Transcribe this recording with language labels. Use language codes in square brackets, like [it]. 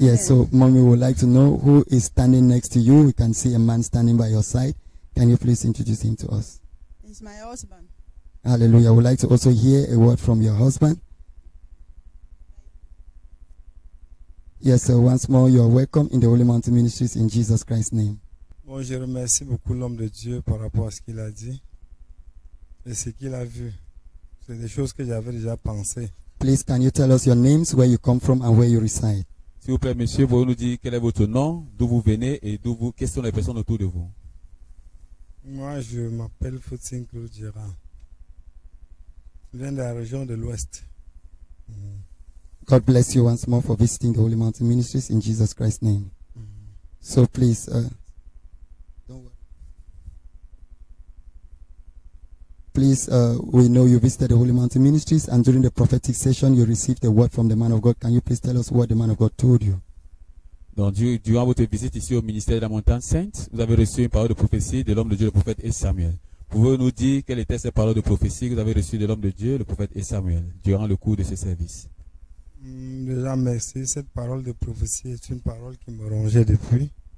[en] Yes, so mommy would like to know who is standing next to you. We can see a man standing by your side. Can you please introduce him to us? It's my husband. Hallelujah. We'd like to also hear a word from your husband. Yes, so once more, you are welcome in the Holy Mountain Ministries in Jesus Christ's name. [fr] Bonjour, merci beaucoup l'homme de Dieu par rapport à ce qu'il a dit et ce qu'il a vu. C'est des choses que j'avais déjà pensé. [en] Please, can you tell us your names, where you come from, and where you reside? [fr] S'il vous plaît, monsieur, vous nous dire quel est votre nom, d'où vous venez et d'où vous, quelles sont les personnes autour de vous? Moi, je m'appelle Foutin Kloudira. Je viens de la région de l'Ouest. [en] God bless you once more for visiting the Holy Mountain Ministries in Jesus Christ's name. So please, we know you visited the Holy Mountain Ministries, and during the prophetic session you received a word from the man of God. Can you please tell us what the man of God told you? [fr] Donc, durant votre visite ici au ministère de la Montagne Sainte, vous avez reçu une parole de prophétie de l'homme de Dieu, le prophète et Samuel. Pouvez-vous dire quelle était cette parole de prophétie que vous avez reçue de l'homme de Dieu, le prophète et Samuel, durant le cours de ce service? Déjà, merci. Cette parole de prophétie est une parole qui me rongeait depuis.